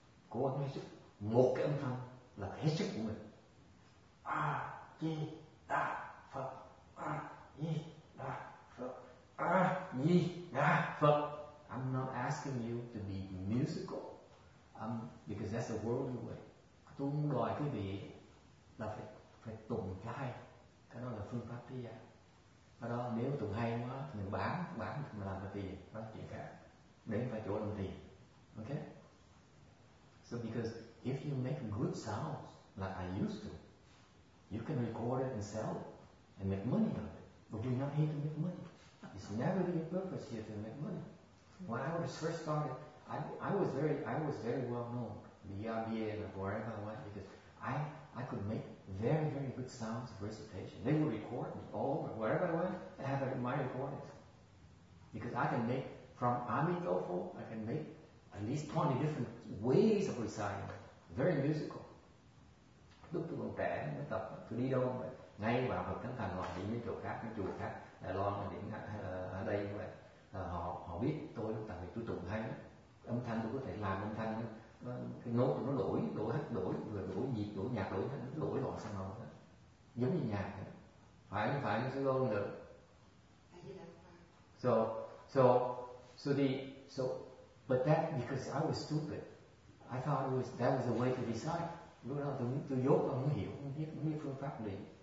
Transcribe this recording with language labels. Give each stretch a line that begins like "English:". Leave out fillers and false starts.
Vietnamese: Cố gắng hết sức. Một cái âm thanh là hết sức của mình. A Di Đà Phật, A Di Đà Phật, A Di Đà Phật.
English: I'm not asking you to be musical, because that's a worldly way.
Vietnamese: Tôi không đòi quý vị là phải tụng cái hay, cái đó là phương pháp thế gian. Và đó nếu tụng hay quá thì mình bán thì mình làm được tiền, đó là chuyện khác. Đến phải chỗ làm tiền, okay?
English: So because if you make good sounds like I used to, you can record it and sell it and make money on it. But we're not here to make money. It's never your purpose here to make money. When I was first started, I was very well known. beyond being a boring one, because I could make very, very good sounds of recitation. They would record me all over, wherever I went, I have my recordings. Because I can make, from Amitofo, I can make at least 20 different ways of reciting. Very musical.
Vietnamese: Lúc tôi còn trẻ, mới tập, tôi đi đâu, ngay vào Phật Thánh Thành, hoặc những chỗ khác, những chùa khác, Đài Loan, ở đây, vậy. Họ biết tôi, tại vì tôi tụng hay, âm thanh tôi có thể làm âm thanh, cái nốt nó đổi nhịp, đổi nhạc, đổi thanh, đổi loại sang đâu, giống như nhạc, phải như luôn được.
English: So but that because I was stupid, I thought that was the way to decide.
Vietnamese: Lúc đó tôi dốt, không hiểu phương pháp này.